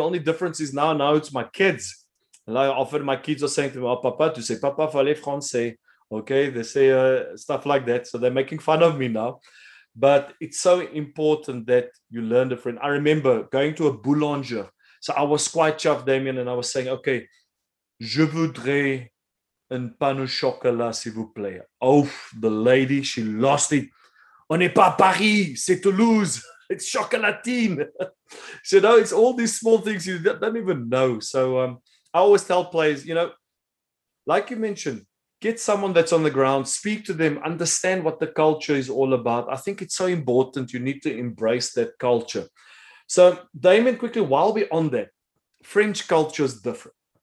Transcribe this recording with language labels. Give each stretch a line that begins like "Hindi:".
English: Only difference is now it's my kids. And I often, my kids are saying to me, oh,
French: papa, tu sais, papa, fallait français.
English: Okay, they say stuff like that. So they're making fun of me now. But it's so important that you learn the French. I remember going to a boulanger. So I was quite chuffed, Damien, and I was saying, okay,
French: Je voudrais un pain au chocolat, s'il vous plaît.
English: Oh, the lady, she lost it.
French: On n'est pas à Paris, c'est Toulouse.
English: It's chocolatine. So, you know, it's all these small things you don't even know. So I always tell players, you know, like you mentioned, get someone that's on the ground, speak to them, understand what the culture is all about. I think it's so important. You need to embrace that culture. So, Damon, quickly, while we're on that, French culture is different.